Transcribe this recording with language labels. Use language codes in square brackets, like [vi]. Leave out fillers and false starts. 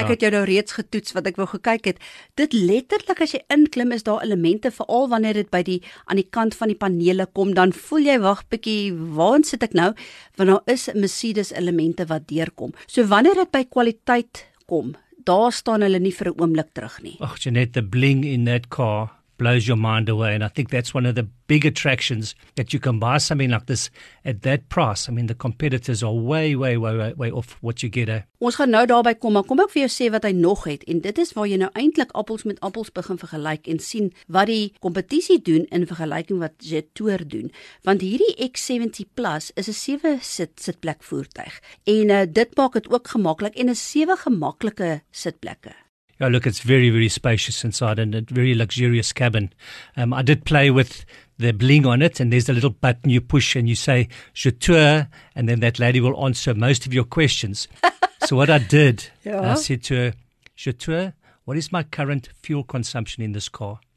[af] Ek het jou nou reeds getoets wat ek wou gekyk het. Dit letterlik as jy inklim is daar elemente veral wanneer dit by die aan die kant van die panele kom, dan voel jy wag bietjie, waar sit ek nou? Want daar is Mercedes elemente wat deurkom. So wanneer dit by kwaliteit kom, daar staan hulle nie vir 'n oomblik terug nie. [en] Ag, Jeanette, the bling in that car blows your mind away, and I think that's one of the big attractions that you can buy something like this at that price. I mean, the competitors are way off what you get. [af] Ons gaan nou daarby kom, maar kom ek vir jou sê wat hy nog het, en dit is waar jy nou eintlik appels met appels begin vergelyk en sien wat die kompetisie doen in vergelyking wat Jetour doen. Want hierdie X70 Plus is 'n 7-sit sitplek voertuig, en dit maak het ook gemaklik en 'n 7 gemaklike sitplekke. [en] Yeah, look, it's very, very spacious inside and a very luxurious cabin. I did play with the bling on it, and there's a little button you push and you say, Jetour, and then that lady will answer most of your questions. So what I did, I said to her, Jetour, what is my current fuel consumption in this car?